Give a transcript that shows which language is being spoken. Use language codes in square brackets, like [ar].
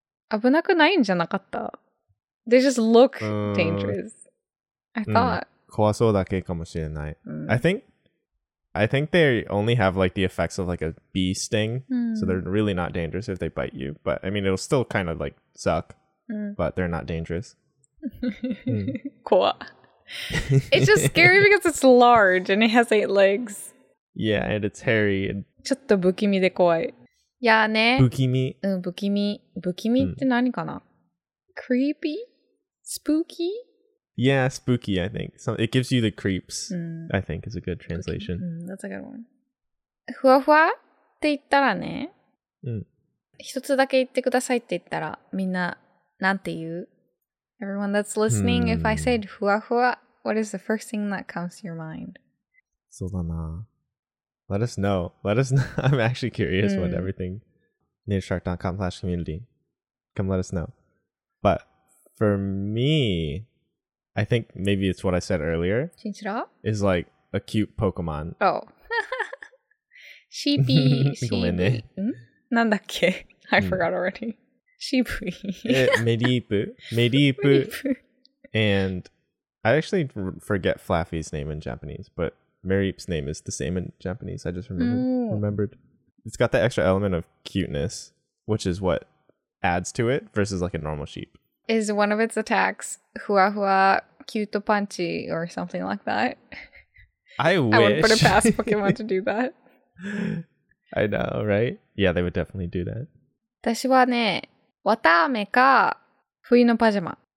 [ja] 危なくないんじゃなかった? [en] They just look dangerous. I thought. [ja] 怖そうだけかもしれない。 [en] I think they only have like the effects of like a bee sting. So they're really not dangerous if they bite you. But I mean, it'll still kind of like suck. But they're not dangerous. [ja] 怖. [en] It's just scary because it's large and it has eight legs. Yeah, and it's hairy and... [ja] ちょっと不気味で怖い。いやーね。不気味。不気味。不気味って何かな、 [en] Creepy? Spooky? Yeah, spooky, I think. So it gives you the creeps,I think, is a good translation. That's a good one. [ja] ふわふわって言ったらね。一つだけ言ってくださいって言ったら、みんな、なんて言う? [en] Everyone that's listening, if I said ふわふわ, what is the first thing that comes to your mind? [ja] そうだな。 [en] Let us know. I'm actually curious what everything nativeshark.com/community. Come let us know. But for me, I think maybe it's what I said earlier. Chinchira? Is like a cute Pokemon. Oh. Sheepy. Sheepy. [ja] Ne. Nan dakke? [en] I forgot already. Sheepy. Medipu. Medipu. And I actually forget Flaffy's name in Japanese, but Mareep's name is the same in Japanese. I just remembered. It's got that extra element of cuteness, which is what adds to it versus like a normal sheep. Is one of its attacks Hua Hua Cute Punchy or something like that? I wish. I would put a past Pokemon to do that. I know, right? Yeah, they would definitely do that. [ja] 私はね、綿あめか冬のパジャマ。